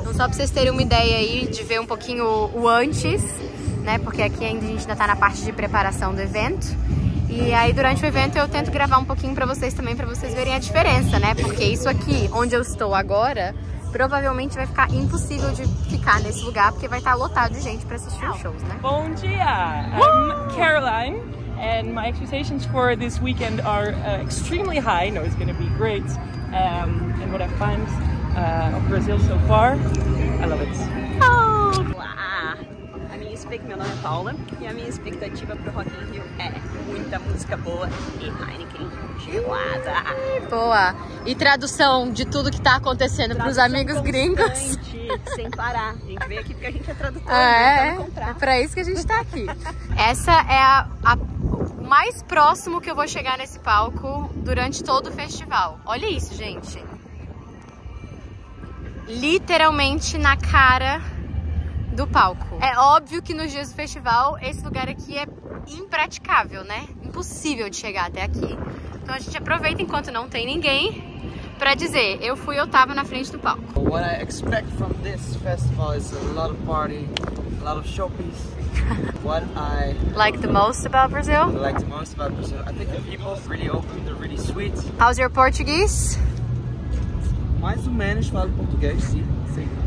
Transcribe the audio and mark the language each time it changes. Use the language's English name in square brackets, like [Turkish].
[Portuguese] Então, só pra vocês terem uma ideia aí de ver um pouquinho o antes, né, porque aqui ainda a gente ainda tá na parte de preparação do evento. E aí, durante o evento, eu tento gravar um pouquinho pra vocês também, pra vocês verem a diferença, né, porque isso aqui, onde eu estou agora, provavelmente vai ficar impossível de ficar nesse lugar, porque vai estar lotado de gente para assistir os shows, né? Bom dia! [English] I'm Caroline, and my expectations for this weekend are extremely high. I know it's going to be great. And what I find of Brazil so far, I love it. Oh! [Portuguese] Meu nome é Paula e a minha expectativa pro Rock in Rio é muita música boa e Heineken gelada. Boa! E tradução de tudo que tá acontecendo tradução pros amigos gringos? Sem parar. A gente veio aqui porque a gente é tradutor. É, pra isso que a gente tá aqui. Essa é a mais próximo que eu vou chegar nesse palco durante todo o festival. Olha isso, gente. Literalmente na cara do palco. É óbvio que nos dias do festival esse lugar aqui é impraticável, né? Impossível de chegar até aqui. Então a gente aproveita enquanto não tem ninguém para dizer, eu tava na frente do palco. [English] What I expect from this festival is a lot of party, a lot of shoppies. What I like the most about Brazil? I like the most about Brazil. I think the people are really open, they're really sweet. How's your Portuguese? [Portuguese] Mais ou menos falo português, sim.